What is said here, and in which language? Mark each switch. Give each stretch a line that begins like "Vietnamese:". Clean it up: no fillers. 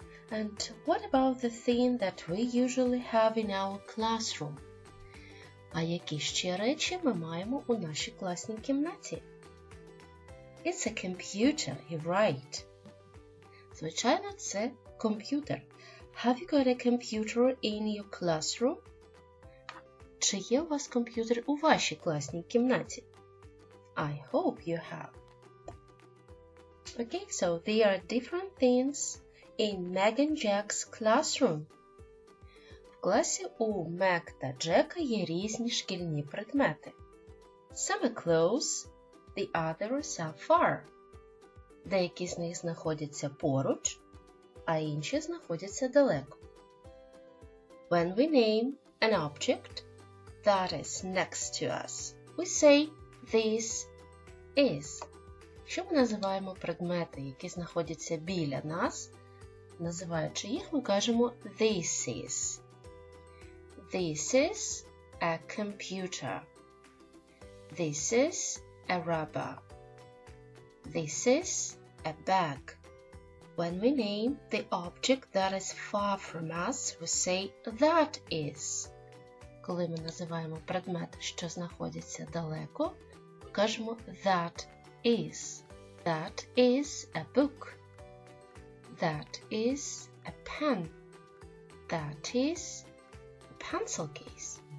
English: And what about the thing that we usually have in our classroom?
Ukrainian: А які ще речі ми маємо у нашій класній кімнаті?
English: It's a computer, you're right.
Ukrainian: Звичайно, це комп'ютер.
English: Have you got a computer in your classroom?
Ukrainian: Чи є у вас комп'ютер у вашій класній кімнаті?
English: I hope you have. Okay, so there are different things in Meg and Jack's classroom.
Ukrainian: В класі у Мег та Джека є різні шкільні предмети.
English: Some are close, the others are far.
Ukrainian: Деякі з них знаходяться поруч, а інші знаходяться далеко.
English: When we name an object that is next to us, we say this is.
Ukrainian: Що ми називаємо предмети, які знаходяться біля нас, називаючи їх, ми кажемо
English: this is. This is a computer. This is a rubber. This is a bag. When we name the object that is far from us, we say that is.
Ukrainian: Коли ми називаємо предмет, що знаходиться далеко, ми кажемо
English: that is. That is a book. That is a pen. That is a pencil case.